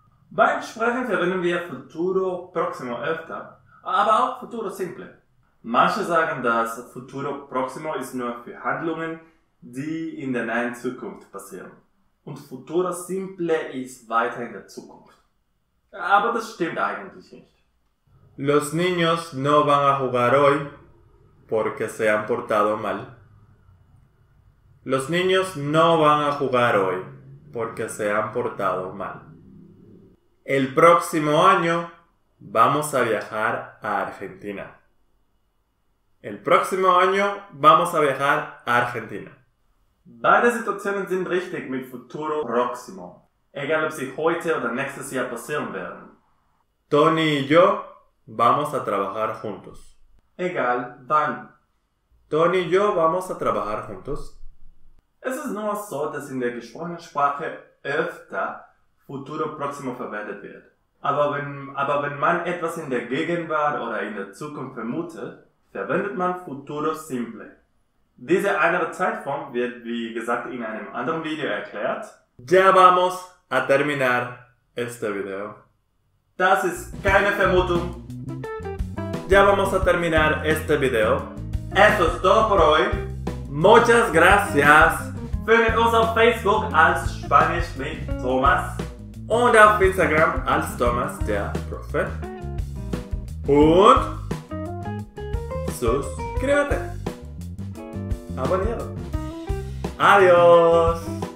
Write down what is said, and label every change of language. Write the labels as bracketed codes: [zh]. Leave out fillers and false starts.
[de] Beim Sprechen verwenden wir futuro próximo öfter, aber auch futuro simple. Manche sagen, dass futuro próximo ist nur für Handlungen, die in der nahen Zukunft passieren. Und futuro simple ist weiter in der Zukunft. Aber das stimmt eigentlich nicht. [es] Los niños no van a jugar hoy porque se han portado mal. Los niños no van a jugar hoy porque se han portado mal. El próximo año vamos a viajar a Argentina. El próximo año vamos a viajar a Argentina. [de] Beide Situationen sind richtig mit futuro próximo, egal ob sie heute oder nächstes Jahr passieren werden. [es] Tony y yo vamos a trabajar juntos. [de] Egal wann. [es] Tony y yo vamos a trabajar juntos. [de] Es ist nur so, dass in der gesprochenen Sprache öfter futuro próximo verwendet wird. Aber wenn man etwas in der Gegenwart oder in der Zukunft vermutet, verwendet man futuro simple. Diese andere Zeitform wird, wie gesagt, in einem anderen Video erklärt. [es] Ya vamos a terminar este video. [de] Das ist keine Vermutung. [es] Ya vamos a terminar este video. Eso es todo por hoy. Muchas gracias. [de] Findet uns auf Facebook als Spanisch mit Thomas. Und auf Instagram als Thomas der Profe. [es] Und suscríbete. Abonado. Adiós.